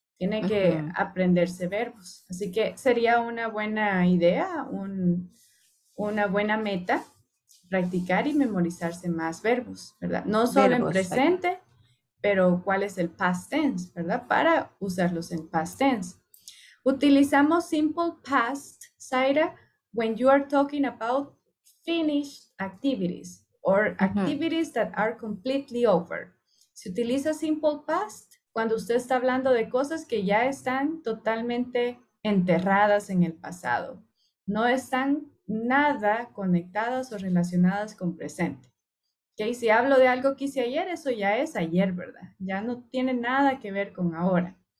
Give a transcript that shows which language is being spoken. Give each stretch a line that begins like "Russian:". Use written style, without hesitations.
Spanish: Tiene que aprenderse verbos. Así que sería una buena idea, una buena meta, practicar y memorizarse más verbos, ¿verdad? No solo verbos, en presente, pero cuál es el past tense, ¿verdad? Para usarlos en past tense.
English: Utilizamos simple past, Zaira, when you are talking about finished activities or activities that are completely over.
Spanish: Se utiliza simple past cuando usted está hablando de cosas que ya están totalmente enterradas en el pasado. No están nada conectadas o relacionadas con presente. ¿Okay? Si hablo de algo que hice ayer, eso ya es ayer, ¿verdad? Ya no tiene nada que ver con ahora.